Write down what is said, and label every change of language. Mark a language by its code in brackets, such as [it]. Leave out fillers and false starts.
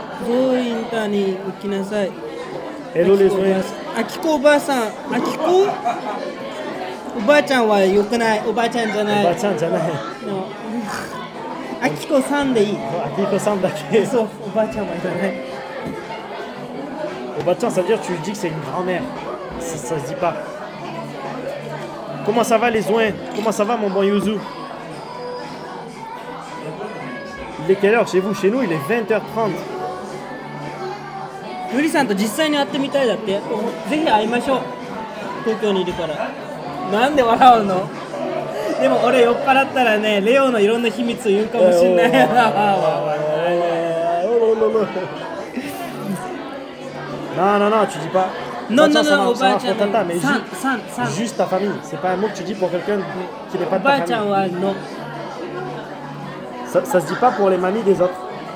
[ja] Zo インターに行きなさい。エロレゾイ。アキコおばあさん、アキコ？おばあちゃんは良くない。おばあちゃんじゃない。おばあちゃんじゃない。アキコさんでいい。アキコさんだけ。そう、おばあちゃんはいらない。 [fr] おばあちゃん、ça veut dire que tu dis que c'est une grand-mère. Ça, ça se dit pas. Comment ça va les oins? Comment ça va mon bon Yuzu? Il est quelle heure chez vous? Chez nous, il est 20h30. [ja] ユリさんと実際に会ってみたいだって。ぜひ会いましょう。東京にいるから。なんで笑うの？でも俺酔っ払ったらね、レオのいろんな秘密を言うかもしんない。おおおおおおおおおおおおおおおおおおおおおおおおお